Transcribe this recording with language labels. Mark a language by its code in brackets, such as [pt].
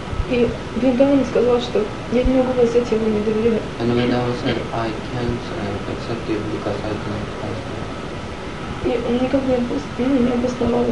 [ru] И Виндаван сказал, что я не могу вас взять, я вам не доверяю. [en] And Виндаван said, I can't accept you, because I don't trust you. [ru] И он никак не обосновал, не обосновал это.